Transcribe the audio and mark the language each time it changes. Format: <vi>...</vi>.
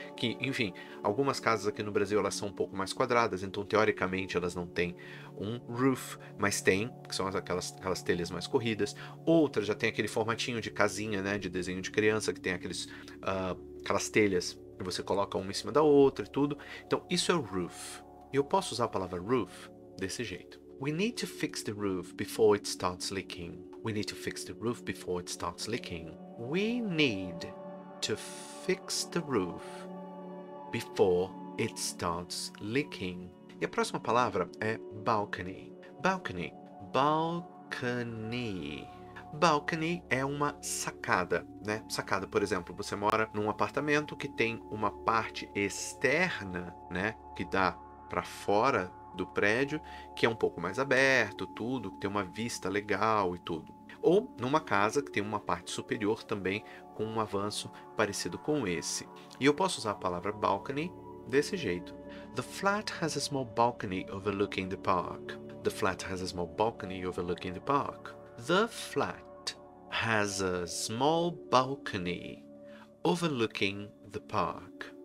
<pt>Que, enfim, algumas casas aqui no Brasil, elas são um pouco mais quadradas, então, teoricamente, elas não têm um roof, mas tem, que são aquelas telhas mais corridas. Outras já tem aquele formatinho de casinha, né, de desenho de criança, que tem aquelas telhas que você coloca uma em cima da outra e tudo. Então, isso é o roof. E eu posso usar a palavra roof desse jeito.</pt> <en>We need to fix the roof before it starts leaking. We need to fix the roof before it starts leaking. We need to fix the roof before it starts leaking.</en> <pt>E a próxima palavra é balcony. Balcony. Balcony. Balcony é uma sacada, né? Sacada, por exemplo, você mora num apartamento que tem uma parte externa, né, que dá para fora do prédio, que é um pouco mais aberto, tudo, que tem uma vista legal e tudo. Ou numa casa que tem uma parte superior também com um avanço parecido com esse. E eu posso usar a palavra balcony desse jeito.</pt> <en>The flat has a small balcony overlooking the park. The flat has a small balcony overlooking the park. The flat has a small balcony overlooking the park.</en>